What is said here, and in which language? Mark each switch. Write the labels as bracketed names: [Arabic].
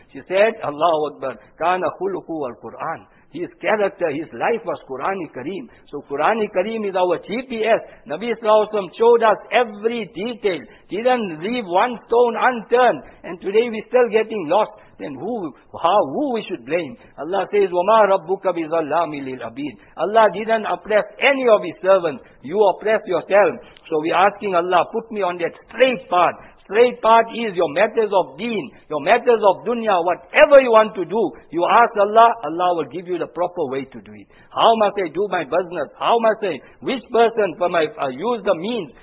[English] She said, Allahu Akbar, [Arabic] kana khuluhu al-Quran. [English] His character, his life was Qur'an-i Kareem. So Qur'an-i Kareem is our GPS. Nabi Sallallahu Alaihi Wasallam showed us every detail. Didn't leave one stone unturned. And today we're still getting lost. Then who we should blame? Allah says, [Arabic] وَمَا رَبُّكَ بِظَلَّامِ لِلْعَبِيدِ. [English] Allah didn't oppress any of his servants. You oppress yourself. So we're asking Allah, put me on that straight path. Straight path is your matters of deen, your matters of dunya, whatever you want to do, you ask Allah, Allah will give you the proper way to do it. How must I do my business? How must I, which person for my, use the means?